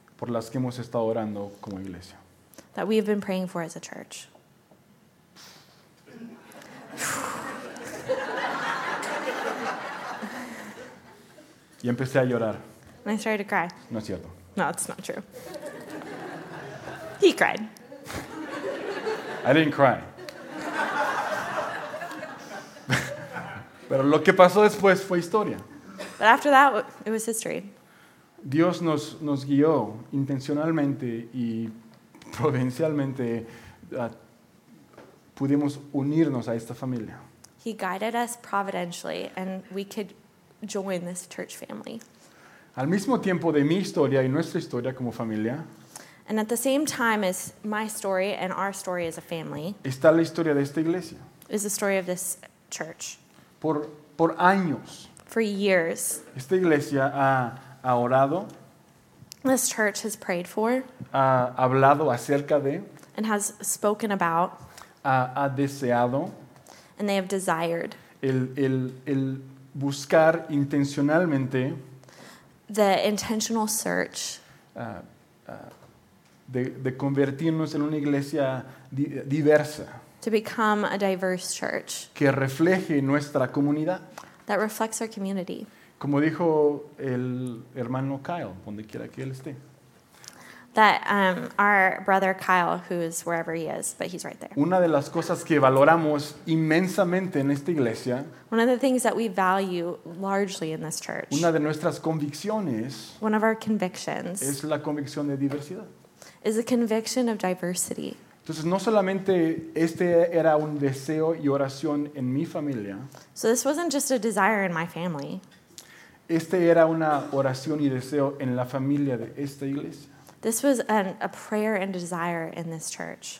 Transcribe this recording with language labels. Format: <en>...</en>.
<es>por las que hemos estado orando como iglesia,</es> <en>that we have been praying for as a church.</en> <es>Y empecé a llorar.</es> <en>And I started to cry.</en> <es>No es cierto.</es> <en>No, it's not true. He cried. I didn't cry.</en> <es>Pero lo que pasó después fue historia.</es> <en>But after that, it was history.</en> <es>Dios nos guió intencionalmente y providencialmente pudimos unirnos a esta familia.</es> <en>He guided us providentially and we could join this church family.</en> <es>Al mismo tiempo de mi historia y nuestra historia como familia.</es> <en>And at the same time as my story and our story as a family.</en> <es>Está la historia de esta iglesia.</es> <en>Is the story of this church.</en> <es>Por años.</es> <en>For years.</en> <es>Esta iglesia ha orado.</es> <en>This church has prayed for.</en> <es>Ha hablado acerca de.</es> <en>And has spoken about.</en> <es>Ha deseado.</es> <en>And they have desired.</en> <es>El buscar intencionalmente.</es> <en>The intentional search</en> <es>de convertirnos en una iglesia diversa,</es> <en>to become a diverse church,</en> <es>que refleje nuestra comunidad,</es> <en>that reflects our community,</en> <es>como dijo el hermano Kyle, donde quiera que él esté,</es> <en>that our brother Kyle, who is wherever he is, but he's right there.</en> <es>Una de las cosas que valoramos inmensamente en esta iglesia.</es> <en>One of the things that we value largely in this church.</en> <es>Una de nuestras convicciones.</es> <en>One of our convictions.</en> <es>Es la convicción de diversidad.</es> <en>Is a conviction of diversity.</en> <es>Entonces no solamente este era un deseo y oración en mi familia.</es> <en>So this wasn't just a desire in my family.</en> <es>Este era una oración y deseo en la familia de esta iglesia.</es> <en>This was a prayer and desire in this church.</en>